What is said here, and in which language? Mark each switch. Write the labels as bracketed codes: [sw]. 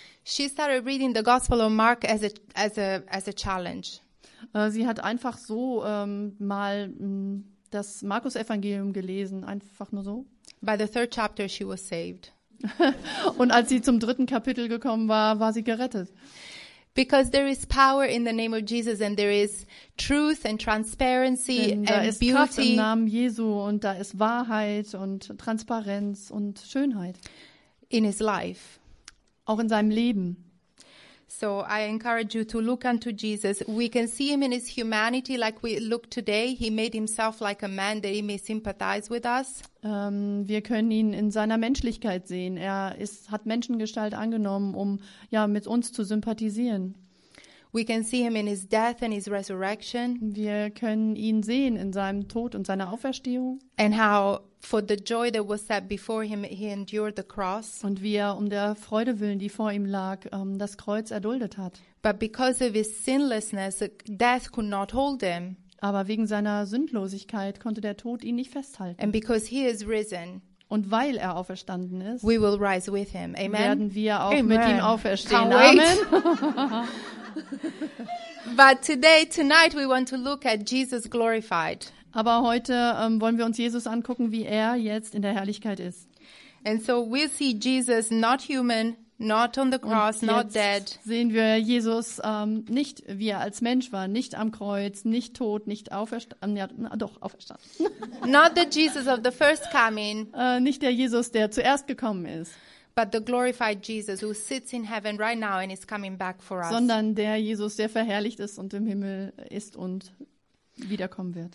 [en] She started reading the Gospel of Mark as a challenge. [de] Sie hat einfach so mal das Markus Evangelium gelesen, einfach nur so. [en] By the third chapter she was saved. [de] Und als sie zum dritten Kapitel gekommen war, war sie gerettet. [en] Because there is power in the name of Jesus and there is truth and transparency and beauty. [de] Da ist Kraft im Namen Jesu und da ist Wahrheit und Transparenz und Schönheit. [en] In his life. [de] Auch in seinem Leben. [en] So I encourage you to look unto Jesus. We can see him in his humanity like we look today. He made himself like a man that he may sympathize with us. [de] Wir können ihn in seiner Menschlichkeit sehen. Er hat Menschengestalt angenommen, um mit uns zu sympathisieren. [en] We can see him in his death and his resurrection. [de] Wir können ihn sehen in seinem Tod und seiner Auferstehung. [en] And how for the joy that was set before him he endured the cross. [de] Und wie er um der Freude willen, die vor ihm lag, das Kreuz erduldet hat. [en] But because of his sinlessness, death could not hold him. [de] Aber wegen seiner Sündlosigkeit konnte der Tod ihn nicht festhalten. [en] And because he is risen, [de] und weil er auferstanden ist, [en] we will rise with him. Amen. [de] Werden wir auch Amen. Mit ihm auferstehen. [en] Can't wait. [de] Amen. [en] But today, tonight, we want to look at Jesus glorified. [de] Aber heute wollen wir uns Jesus angucken, wie er jetzt in der Herrlichkeit ist. [en] And so we see Jesus not human, not on the cross, [de] und jetzt [en] not dead. [de] Sehen wir Jesus nicht, wie er als Mensch war, nicht am Kreuz, nicht tot, nicht auferstanden. Ja, doch auferstanden. [en] Not the Jesus of the first coming. [de] Nicht der Jesus, der zuerst gekommen ist. [en] But the glorified Jesus who sits in heaven right now and is coming back for us. [de] Sondern der Jesus, der verherrlicht ist und im Himmel ist und wiederkommen wird.